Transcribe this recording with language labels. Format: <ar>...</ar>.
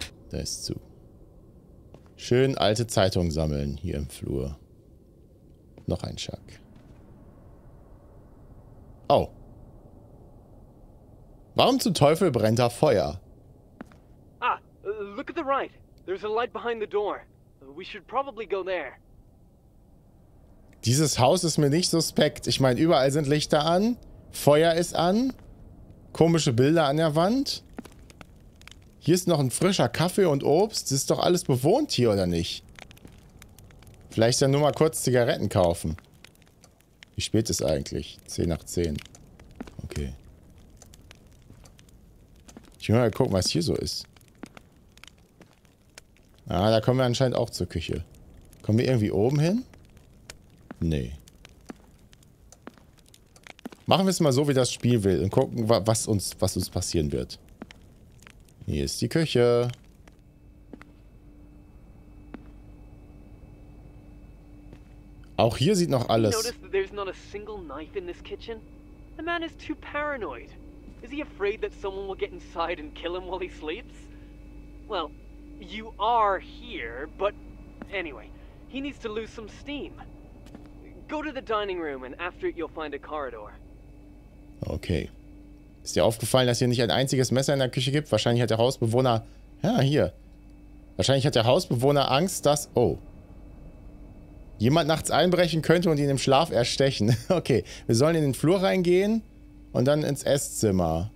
<de>Da ist zu. Schön alte Zeitungen sammeln hier im Flur. Noch ein Chuck. Oh. Warum zum Teufel brennt da Feuer?</de> <en>Ah, look at the right. There's a light behind the door. We should probably go there.</en> <de>Dieses Haus ist mir nicht suspekt. Ich meine, überall sind Lichter an. Feuer ist an. Komische Bilder an der Wand. Hier ist noch ein frischer Kaffee und Obst. Das ist doch alles bewohnt hier, oder nicht? Vielleicht dann nur mal kurz Zigaretten kaufen. Wie spät ist eigentlich? 10 nach 10. Okay. Ich will mal gucken, was hier so ist. Ah, da kommen wir anscheinend auch zur Küche. Kommen wir irgendwie oben hin? Nee. Machen wir es mal so, wie das Spiel will und gucken, was uns passieren wird. Hier ist die Küche. Auch hier sieht noch alles.</de> <en>Notice that there's not a single knife in this kitchen. The man is too paranoid. Is he afraid that someone will get inside and kill him while he sleeps? Well, you are here, but anyway, he needs to lose some steam. Go to the dining room and after it you'll find a corridor. Okay.</en> <de>Ist dir aufgefallen, dass hier nicht ein einziges Messer in der Küche gibt? Wahrscheinlich hat der Hausbewohner... Ja, hier. Wahrscheinlich hat der Hausbewohner Angst, dass... Oh. Jemand nachts einbrechen könnte und ihn im Schlaf erstechen. Okay, wir sollen in den Flur reingehen und dann ins Esszimmer.</de>